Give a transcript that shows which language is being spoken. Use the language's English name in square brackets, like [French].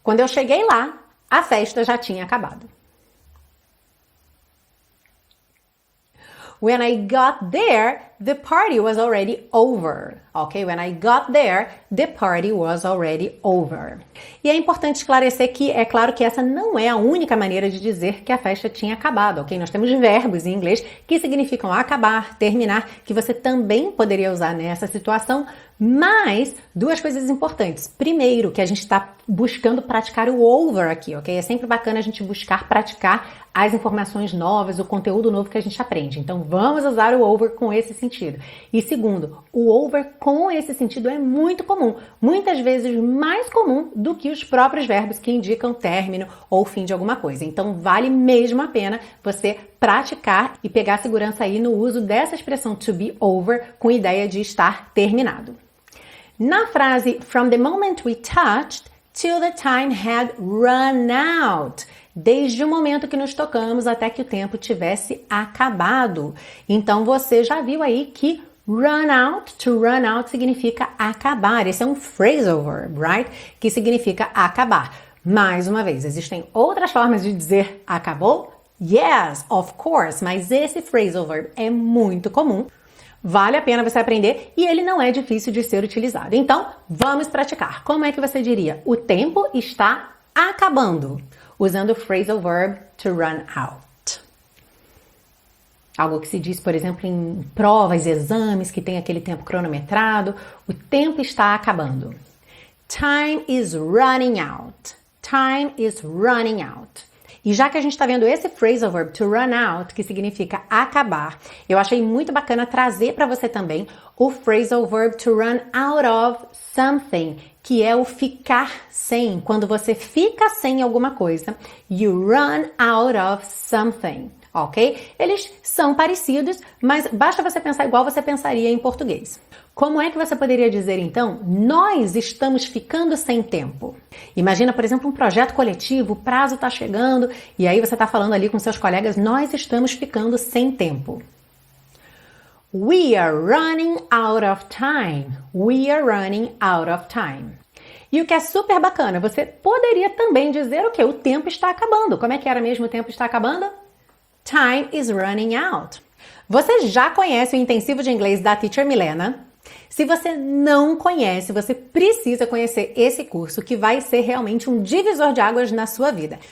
[Portuguese] Quando eu cheguei lá, a festa já tinha acabado. [English] When I got there, the party was already over. Ok? When I got there, the party was already over. [Portuguese] E é importante esclarecer que é claro que essa não é a única maneira de dizer que a festa tinha acabado, ok? Nós temos verbos em inglês que significam acabar, terminar, que você também poderia usar nessa situação, mas duas coisas importantes. Primeiro, que a gente está buscando praticar o over aqui, ok? É sempre bacana a gente buscar praticar as informações novas, o conteúdo novo que a gente aprende. Então, vamos usar o over com esse sentido. E segundo, o over com esse sentido é muito comum, muitas vezes mais comum do que os próprios verbos que indicam término ou fim de alguma coisa. Então, vale mesmo a pena você praticar e pegar segurança aí no uso dessa expressão to be over com ideia de estar terminado. Na frase [English] from the moment we touched till the time had run out. [Portuguese] Desde o momento que nos tocamos até que o tempo tivesse acabado. Então, você já viu aí que run out, to run out, significa acabar. Esse é um phrasal verb, right? Que significa acabar. Mais uma vez, existem outras formas de dizer acabou? [English] Yes, of course, [Portuguese] mas esse phrasal verb é muito comum. Vale a pena você aprender e ele não é difícil de ser utilizado. Então, vamos praticar. Como é que você diria? O tempo está acabando. Usando o phrasal verb to run out. Algo que se diz, por exemplo, em provas, exames, que tem aquele tempo cronometrado. O tempo está acabando. [English] Time is running out. Time is running out. [Portuguese] E já que a gente está vendo esse phrasal verb to run out, que significa acabar, eu achei muito bacana trazer para você também o phrasal verb to run out of something, que é o ficar sem. Quando você fica sem alguma coisa, [English] you run out of something, [Portuguese] ok? Eles são parecidos, mas basta você pensar igual você pensaria em português. Como é que você poderia dizer, então, nós estamos ficando sem tempo? Imagina, por exemplo, um projeto coletivo, o prazo está chegando, e aí você está falando ali com seus colegas, nós estamos ficando sem tempo. [English] We are running out of time. We are running out of time. [Portuguese] E o que é super bacana, você poderia também dizer o quê? O tempo está acabando. Como é que era mesmo o tempo está acabando? [English] Time is running out. [Portuguese] Você já conhece o intensivo de inglês da Teacher Milena? Se você não conhece, você precisa conhecer esse curso que vai ser realmente um divisor de águas na sua vida.